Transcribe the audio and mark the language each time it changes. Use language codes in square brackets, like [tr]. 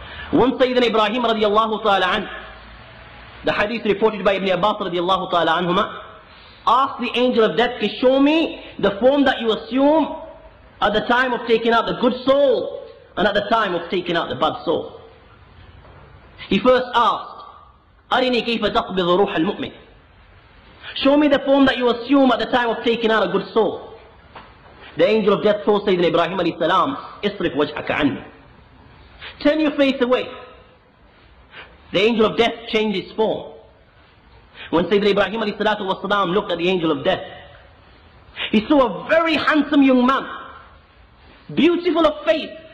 [en] One Sayyidina Ibrahim radiallahu ta'ala anhu, the hadith reported by Ibn Abbas radiallahu ta'ala anhuma, asked the angel of death to show me the form that you assume at the time of taking out the good soul and at the time of taking out the bad soul. He first asked, [ar] أرني كيف تقبض روح المؤمن. [en] Show me the form that you assume at the time of taking out a good soul. The angel of death told Sayyidina Ibrahim alayhi salam, [ar] اصرف وجهك عني. [en] Turn your face away. The angel of death changed his form. When Sayyidina Ibrahim alayhi salatu wa salam looked at the angel of death, he saw a very handsome young man, beautiful of face.